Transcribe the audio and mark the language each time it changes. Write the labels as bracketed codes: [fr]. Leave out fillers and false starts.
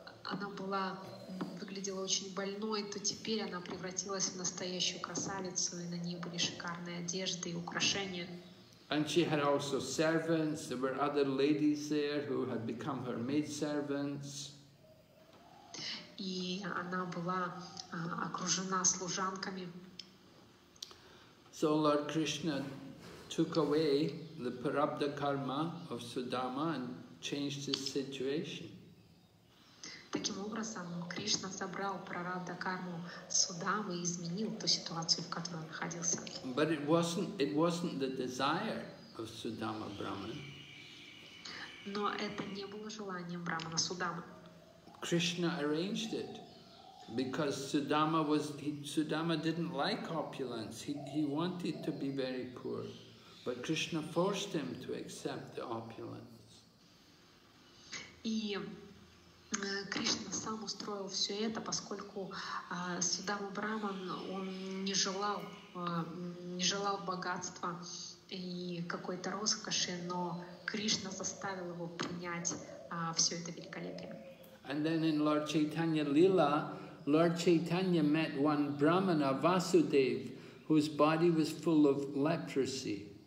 [ru] она была, выглядела очень больной, то теперь она превратилась в настоящую красавицу, и на ней были шикарные одежды и украшения. [en] And she had also servants. There were other ladies there who had become her maid servants. [ru] И она была окружена служанками. [en] So Lord Krishna took away the prarabdha karma of Sudama and changed his situation. [ru] Таким образом, Кришна забрал прарабдха карму Судамы и изменил ту ситуацию, в которой он находился. [en] But it wasn't the desire of Sudama Brahman. [ru] Но это не было желанием Брахмана Судамы. [en] Krishna arranged it because Sudama didn't like opulence. He wanted to be very poor, but Krishna forced him to accept the opulence. [ru] И Кришна сам устроил все это, поскольку Судама Браман он не желал богатства и какой-то роскоши, но Кришна заставил его принять все это великолепие. [en] And then in Lord Chaitanya Lila, Lord Chaitanya met one Brahmana, Vasudev, whose body was full of leprosy.